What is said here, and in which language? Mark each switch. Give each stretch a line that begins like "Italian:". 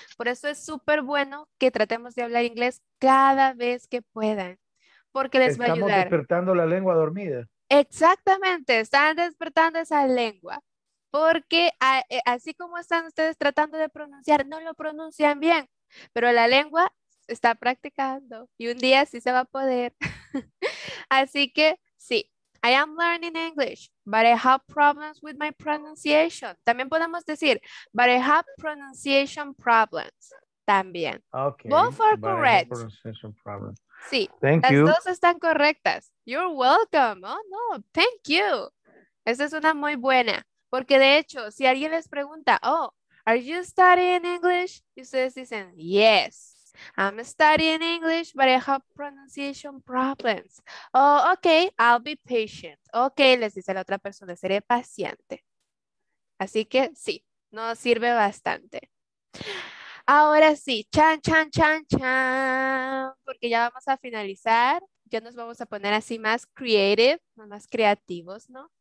Spanish: Por eso es súper bueno que tratemos de hablar inglés cada vez que puedan, porque les va a ayudar. Estamos despertando la lengua dormida. Exactamente, están despertando esa lengua. Porque así como están ustedes tratando de pronunciar, no lo pronuncian bien. Pero la lengua está practicando y un día sí se va a poder. Así que sí,
English: I am learning English, but I have problems with my pronunciation.
Spanish: También podemos decir,
English: but I have pronunciation problems
Spanish: también.
English: Okay. Both are correct. Pronunciation problems.
Spanish: Sí.
English: Thank
Spanish: las
English: you.
Spanish: Dos están correctas.
English: You're welcome. Oh, no, thank you.
Spanish: Esa es una muy buena. Porque de hecho, si alguien les pregunta,
English: oh, are you studying English?
Spanish: Y ustedes dicen,
English: yes, I'm studying English, but I have pronunciation problems. Oh, okay, I'll be patient.
Spanish: Okay, les dice la otra persona, seré paciente. Así que sí, nos sirve bastante. Ahora sí, chan, chan, chan, chan, porque ya vamos a finalizar. Ya nos vamos a poner así más creative, más creativos, ¿no?